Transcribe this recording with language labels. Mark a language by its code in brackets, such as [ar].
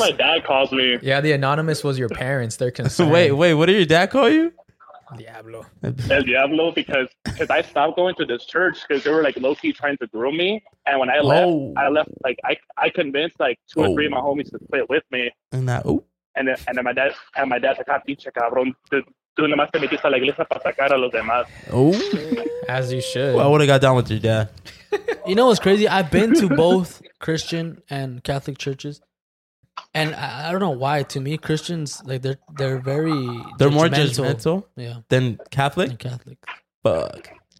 [en] That's what my dad calls me. Yeah, the anonymous was your parents. They're concerned. wait. What did your dad call you? [es] Diablo. [en] El Diablo, because I stopped going to this church because they were like low key trying to groom me. And when I left, I convinced like two or three of my homies to quit with me. And that, and then my dad's like, [es] pinche cabrón, tú nomás te metiste a la iglesia para sacar a los demás. Oh, [en] as you should. Well, I would have got down with your dad. You know what's crazy? I've been to both Christian and Catholic churches. And I don't know why. To me, Christians, like they're very they're more judgmental, yeah, than Catholic. And Catholic, fuck,